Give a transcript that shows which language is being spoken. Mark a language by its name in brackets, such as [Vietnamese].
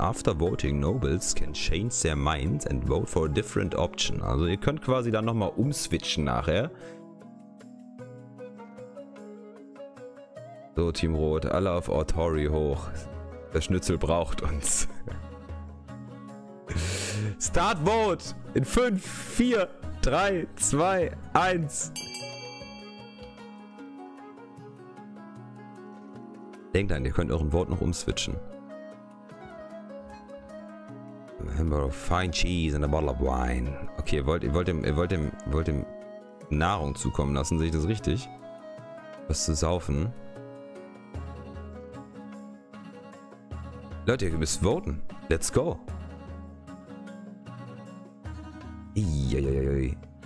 [English] After voting, nobles can change their minds and vote for a different option. [German] Also ihr könnt quasi dann nochmal umswitchen nachher. So, Team Rot, alle auf Autori hoch. Der Schnitzel braucht uns. [English] Start vote in 5, 4, 3, 2, 1. [German] Denkt an, ihr könnt euren Wort noch umswitchen. [English] Remember fine cheese and a bottle of wine. [German] Okay, ihr wollt dem Nahrung zukommen lassen, sehe ich das richtig? Was zu saufen? Leute, ihr müsst voten. [English] Let's go. Iiuiuiui.